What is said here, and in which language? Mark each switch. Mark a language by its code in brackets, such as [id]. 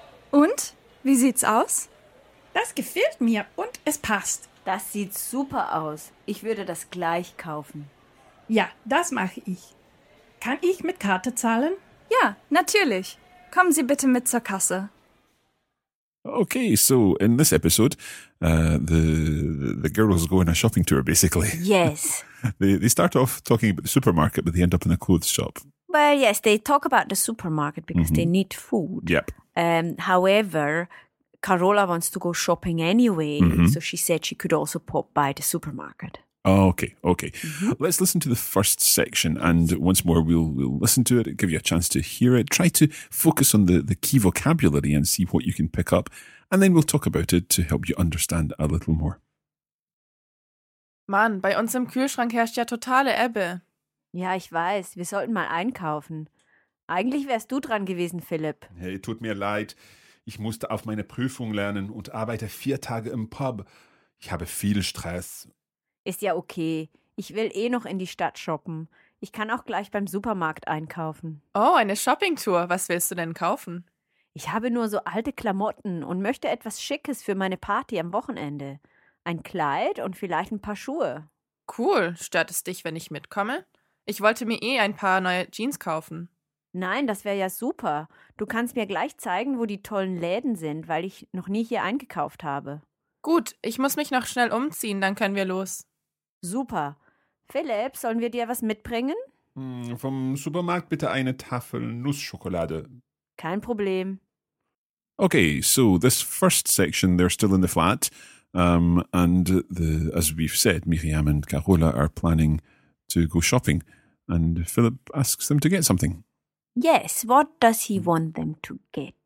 [de] Und, wie sieht's aus? Das gefällt mir und es passt. Das sieht super aus. Ich würde das gleich kaufen. Ja, das mache ich. Kann ich mit Karte zahlen? Ja, natürlich. Kommen Sie bitte mit zur Kasse. [en] Okay, so in this episode, the girls go on a shopping tour, basically. Yes. they start off talking about the supermarket, but they end up in a clothes shop. Well, yes, they talk about the supermarket because mm-hmm. they need food. Yep. However, Carola wants to go shopping anyway, mm-hmm. so she said she could also pop by the supermarket. Okay. Mm-hmm. Let's listen to the first section, and once more we'll listen to it, give you a chance to hear it. Try to focus on the key vocabulary and see what you can pick up, and then we'll talk about it to help you understand a little more. [de] Mann, bei uns im Kühlschrank herrscht ja totale Ebbe. Ja, ich weiß. Wir sollten mal einkaufen. Eigentlich wärst du dran gewesen, Philipp. Hey, tut mir leid. Ich musste auf meine Prüfung lernen und arbeite 4 Tage im Pub. Ich habe viel Stress. Ist ja okay. Ich will eh noch in die Stadt shoppen. Ich kann auch gleich beim Supermarkt einkaufen. Oh, eine Shoppingtour. Was willst du denn kaufen? Ich habe nur so alte Klamotten und möchte etwas Schickes für meine Party am Wochenende. Ein Kleid und vielleicht ein paar Schuhe. Cool. Stört es dich, wenn ich mitkomme? Ich wollte mir eh ein paar neue Jeans kaufen. Nein, das wäre ja super. Du kannst mir gleich zeigen, wo die tollen Läden sind, weil ich noch nie hier eingekauft habe. Gut, ich muss mich noch schnell umziehen, dann können wir los. Super. Philipp, sollen wir dir was mitbringen? Vom Supermarkt bitte eine Tafel Nussschokolade. Kein Problem. [en] Okay, so this first section, they're still in the flat. And the, as we've said, Miriam and Carola are planning to go shopping. And Philipp asks them to get something. Yes, what does he want them to get?